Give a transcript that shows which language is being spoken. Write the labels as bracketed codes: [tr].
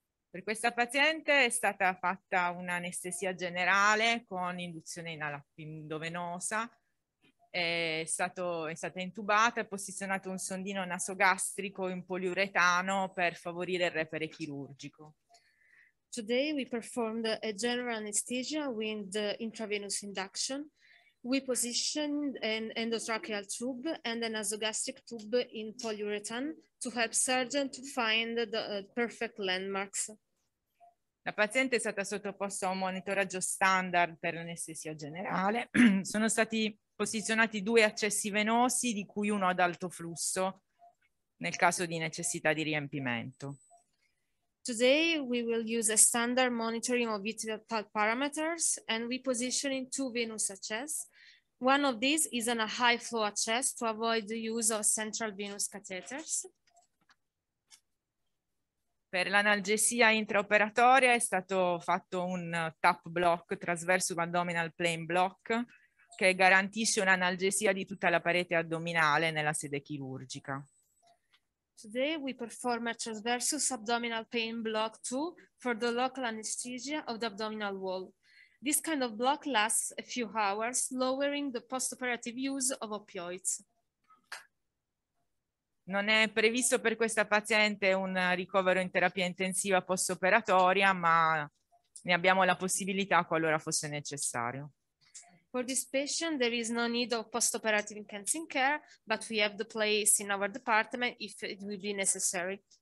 [it] Per questa paziente è stata fatta un'anestesia generale con induzione endovenosa. È stata intubata e posizionato un sondino nasogastrico in poliuretano per favorire il repere chirurgico. [en] Today we performed a general anesthesia with intravenous induction. We positioned an endotracheal tube and a nasogastric tube in poliuretan to help surgeon to find the perfect landmarks. [it] La paziente è stata sottoposta a un monitoraggio standard per l'anestesia generale. Sono stati posizionati due accessi venosi, di cui uno ad alto flusso, nel caso di necessità di riempimento. [en] Today we will use a standard monitoring of vital parameters and we position in two venous access. One of these is in a high flow access to avoid the use of central venous catheters. [it] Per l'analgesia intraoperatoria è stato fatto un tap block, [en] transverse abdominal plane block, [it] che garantisce un'analgesia di tutta la parete addominale nella sede chirurgica. [en] Today we perform a transverse abdominal plane block too for the local anesthesia of the abdominal wall. This kind of block lasts a few hours, lowering the postoperative use of opioids. [it] Non è previsto per questa paziente un ricovero in terapia intensiva postoperatoria, ma ne abbiamo la possibilità qualora fosse necessario. [en] For this patient there is no need of postoperative intensive care, but we have the place in our department if it will be necessary.